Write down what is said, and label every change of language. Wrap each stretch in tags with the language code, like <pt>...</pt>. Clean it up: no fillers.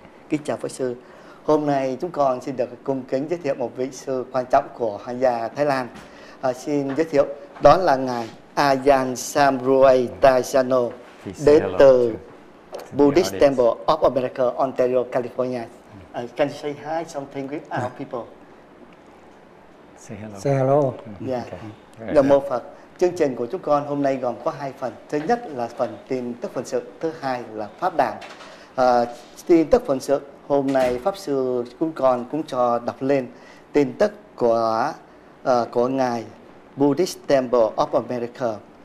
<vi>Kính chào Pháp Sư. Hôm nay chúng con xin được cung kính giới thiệu một vị sư quan trọng của Hoàng gia Thái Lan. Xin giới thiệu, đó là Ngài Ajahn Samruay Tajano, đến từ Buddhist Temple of America, Ontario, California.</vi> <en>Can you say hi something with our people? Say hello.</en> <vi>Yeah. Okay. Nam Mô Phật. Chương trình của chúng con hôm nay gồm có hai phần. Thứ nhất là phần tin tức phần sự, thứ hai là pháp đàn. Tin tức phần sự hôm nay Pháp Sư chúng con cũng cho đọc lên tin tức của Ngài Buddhist Temple of America.</vi>